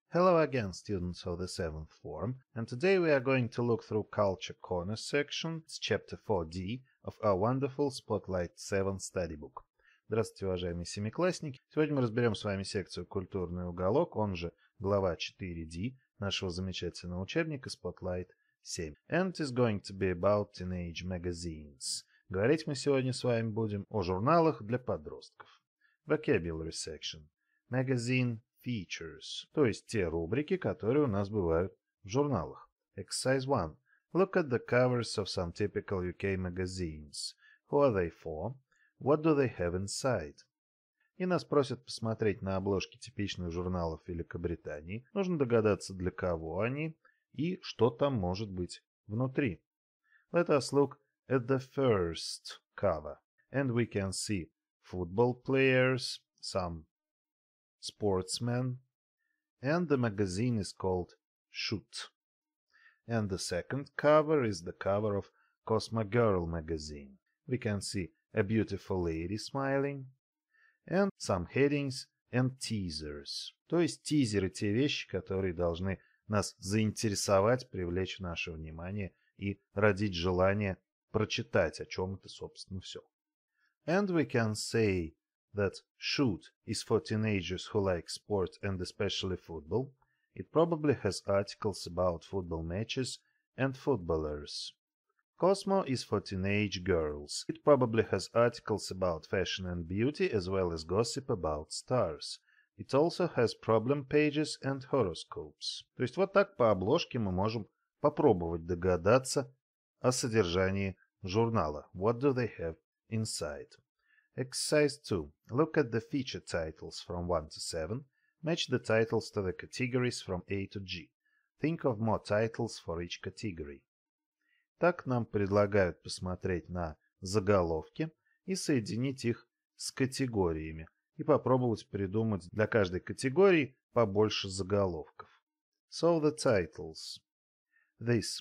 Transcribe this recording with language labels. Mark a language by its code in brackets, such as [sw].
[en] Hello again, students of the 7th form, and today we are going to look through Culture Corner section, it's chapter 4D, of our wonderful Spotlight 7 study book. [ru] Здравствуйте, уважаемые семиклассники! Сегодня мы разберем с вами секцию «Культурный уголок», он же глава 4D нашего замечательного учебника Spotlight 7. [en] And it's going to be about teenage magazines. [ru] Говорить мы сегодня с вами будем о журналах для подростков. [en] Vocabulary section. Magazine. [ru] Features, то есть те рубрики, которые у нас бывают в журналах. [en] Exercise 1. Look at the covers of some typical UK magazines. Who are they for? What do they have inside? [ru] И нас просят посмотреть на обложки типичных журналов Великобритании. Нужно догадаться, для кого они и что там может быть внутри. [en] Let us look at the first cover. And we can see football players, some sportsman, and the magazine is called Shoot. And the second cover is the cover of Cosmogirl magazine. We can see a beautiful lady smiling, and some headings and teasers. [ru] То есть тизеры – те вещи, которые должны нас заинтересовать, привлечь наше внимание и родить желание прочитать, о чем это, собственно, все. [en] And we can say that Shoot is for teenagers who like sport and especially football. It probably has articles about football matches and footballers. Cosmo is for teenage girls. It probably has articles about fashion and beauty as well as gossip about stars. It also has problem pages and horoscopes. [ru] То есть вот так по обложке мы можем попробовать догадаться о содержании журнала. [en] What do they have inside? Exercise 2. Look at the feature titles from 1 to 7. Match the titles to the categories from A to G. Think of more titles for each category. [ru] Так нам предлагают посмотреть на заголовки и соединить их с категориями. И попробовать придумать для каждой категории побольше заголовков. [en] So the titles. This.